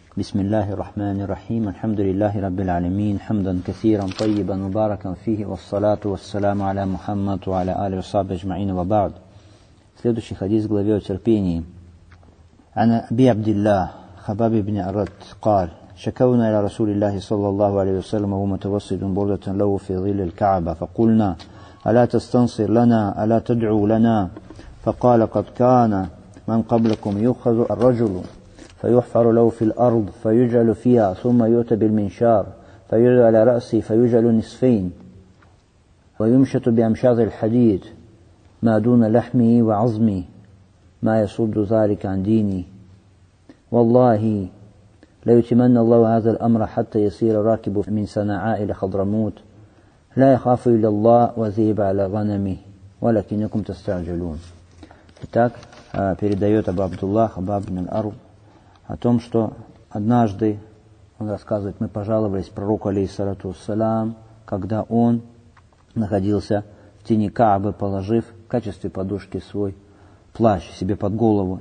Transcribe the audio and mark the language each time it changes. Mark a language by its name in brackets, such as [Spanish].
[Arabic] بسم الله الرحمن الرحيم الحمد لله رب العالمين حمدا كثيرا طيبا مباركا فيه والصلاة والسلام على محمد وعلى آله وصحبه أجمعين وبعد. [Russian] Следующий хадис главе о терпении. [Arabic] عن أبي عبد الله خباب بن أرد قال شكونا إلى رسول الله صلى الله عليه وسلم وهو متوسد بردة له في ظل الكعبة فقلنا ألا تستنصر لنا ألا تدعو لنا فقال قد كان من قبلكم يؤخذ الرجل فيحفر له في الأرض فيجعل فيها ثم يؤتى بالمنشار فيجعل على رأسي فيجعل نصفين ويمشط بأمشاط الحديد ما دون لحمي وعظمي ما يصد ذلك عن ديني والله ليتمن الله هذا الأمر حتى يصير راكب من صنعاء إلى حضرموت لا يخاف إلا الله وذيب على غنمه ولكنكم تستعجلون. [Russian] Итак, передает Абу Абдуллах, Абу ибн аль-Ард, о том, что однажды, он рассказывает, мы пожаловались пророку, алейхиссалату вассалям, когда он находился в тени Каабы, положив в качестве подушки свой плащ себе под голову.